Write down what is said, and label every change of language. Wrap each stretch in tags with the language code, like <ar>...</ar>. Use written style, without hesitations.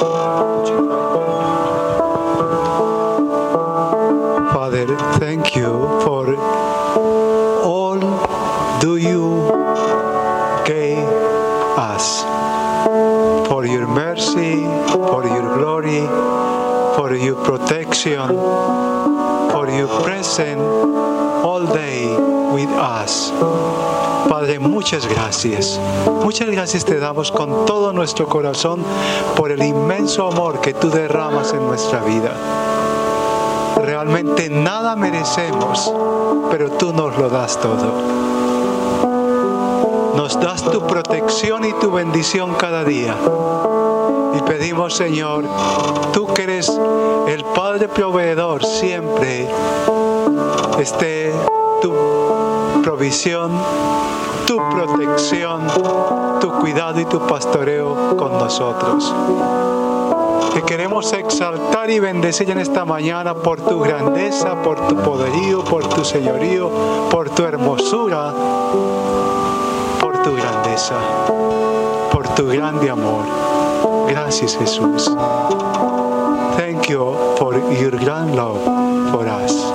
<en>Father, thank you for all do you gave us. For your mercy, for your glory, for your protection, for your presence all day with us.</en> <es>Padre, muchas gracias. Muchas gracias te damos con todo nuestro corazón por el inmenso amor que tú derramas en nuestra vida. Realmente nada merecemos, pero tú nos lo das todo. Nos das tu protección y tu bendición cada día. Y pedimos, Señor, tú que eres el Padre proveedor, siempre esté tu provisión, tu protección, tu cuidado y tu pastoreo con nosotros. Te queremos exaltar y bendecir en esta mañana por tu grandeza, por tu poderío, por tu señorío, por tu hermosura, por tu grandeza, por tu grande amor. Gracias, Jesús.</es> <en>Thank you for your grand love for us.</en>